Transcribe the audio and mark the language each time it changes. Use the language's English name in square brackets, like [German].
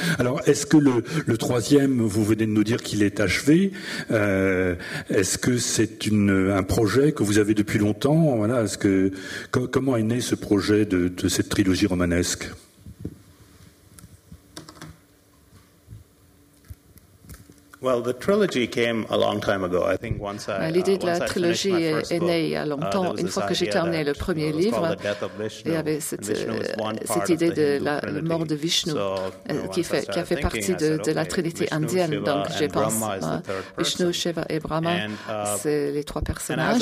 [French] Alors, est-ce que le troisième, vous venez de nous dire qu'il est achevé, est-ce que c'est un projet que vous avez depuis longtemps? Voilà, comment est né ce projet de cette trilogie romanesque? [English] Well, the trilogy came a long time ago. I think [French] l'idée de la trilogie est née il y a longtemps. Une fois que j'ai terminé le premier livre, il y avait cette idée de la mort de Vishnu qui a fait partie de la trinité indienne. Donc, je pense Vishnu, Shiva et Brahma, c'est les 3 personnages.